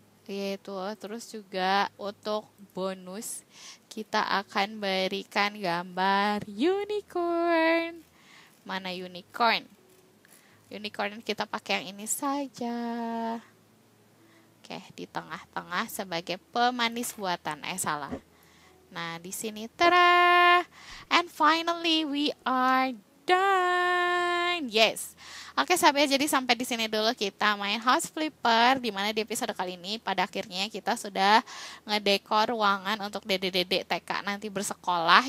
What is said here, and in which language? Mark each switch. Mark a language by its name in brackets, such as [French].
[Indonesian] Yaitu, terus juga untuk bonus, kita akan berikan gambar unicorn. Mana unicorn? Unicorn kita pakai yang ini saja. Oke, di tengah-tengah sebagai pemanis buatan. Salah. Nah, di sini, tada! [English] And finally, we are done! Yes! [Indonesian] Oke, sampai jadi sampai di sini dulu kita main House Flipper, di mana di episode kali ini pada akhirnya kita sudah ngedekor ruangan untuk dede-dede TK nanti bersekolah.